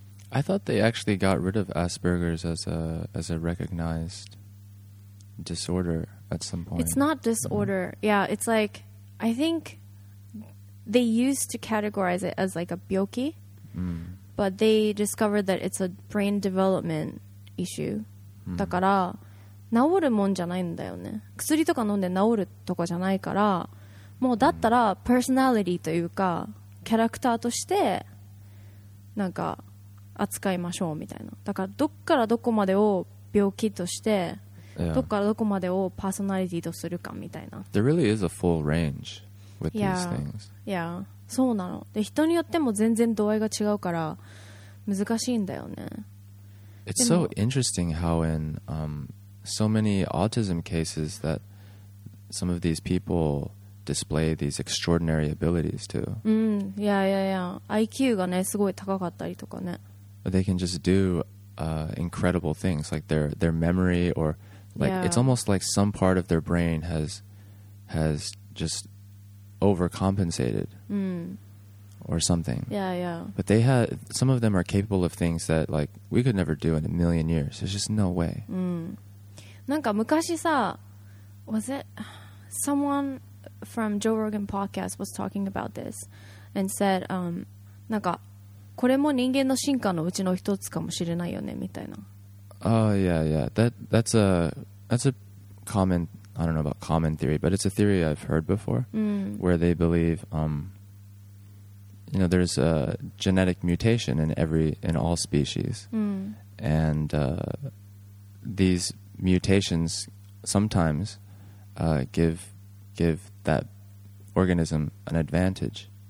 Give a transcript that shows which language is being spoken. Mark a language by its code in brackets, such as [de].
[en] I thought they actually got rid of Asperger's as a recognized disorder at some point. It's not disorder. Mm-hmm. Yeah, it's like, I think they used to categorize it as like a 病気, but they discovered that it's a brain development issue. [ja] だから治るもんじゃないんだよね。薬とか飲んで治るとかじゃないから、もうだったら personality というかキャラクターとしてなんか扱いましょうみたいな。だからどっからどこまでを病気として、どっからどこまでをパーソナリティとするかみたいな。 [en] There really is a full range with these things. [ja] Yeah, そうなの。で、人によっても全然度合いが違うから難しいんだよね。 [en] It's so interesting how in so many autism cases that some of these people display these extraordinary abilities too. [ja] IQ がね、すごい高かったりとかね。 [en] They can just do incredible things, like their memory, or like it's almost like some part of their brain has just overcompensated or something. But they have, some of them are capable of things that like we could never do in a million years. There's just no way. [ja] なんか昔さ、 [en] was it someone from Joe Rogan podcast was talking about this and said, [ja] なんか。これも人間の進化のうちの一つかもしれないよねみたいな。 [en] That's a common, I don't know about common theory, but it's a theory I've heard before, where they believe you know, there's a genetic mutation in all species. Mm. And these mutations sometimes give that organism an advantage.